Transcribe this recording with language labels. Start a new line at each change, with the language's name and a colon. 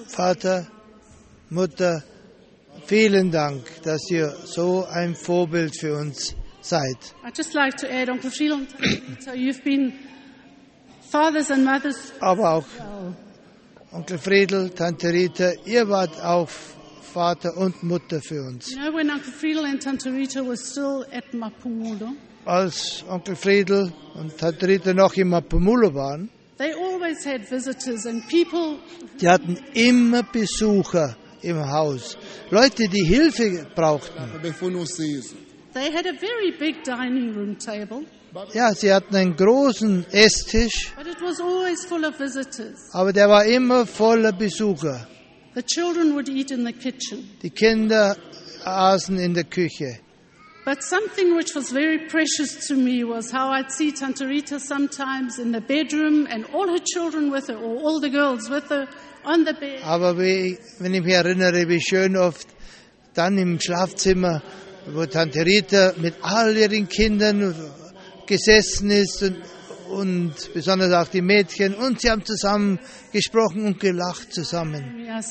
German: Vater, Mutter, vielen Dank, dass ihr so ein Vorbild für uns seid.
English: I just like to add, Onkel Phil, you've been fathers and mothers.
German: Aber auch Onkel Friedel, Tante Rita, ihr wart auch Vater und Mutter für uns.
English: You know, when Uncle Friedel and Tante Rita were still at Mapumulo,
German: als Onkel Friedel und Tante Rita noch in Mapumulo waren,
English: they always had visitors and people.
German: Die hatten immer Besucher im Haus, Leute, die Hilfe brauchten.
English: They had a very big dining room table.
German: Ja, sie hatten einen großen Esstisch.
English: But it was always full of visitors.
German: Aber der war immer voller Besucher.
English: The children would eat in the kitchen.
German: Die Kinder aßen in der Küche.
English: But something which was very precious to me was how I'd see Tante Rita sometimes in the bedroom and all her children with her, or all the girls with her on the bed.
German: Aber wenn ich mich erinnere, wie schön oft dann im Schlafzimmer, wo Tante Rita mit all ihren Kindern gesessen ist und besonders auch die Mädchen, und sie haben zusammen gesprochen und gelacht zusammen.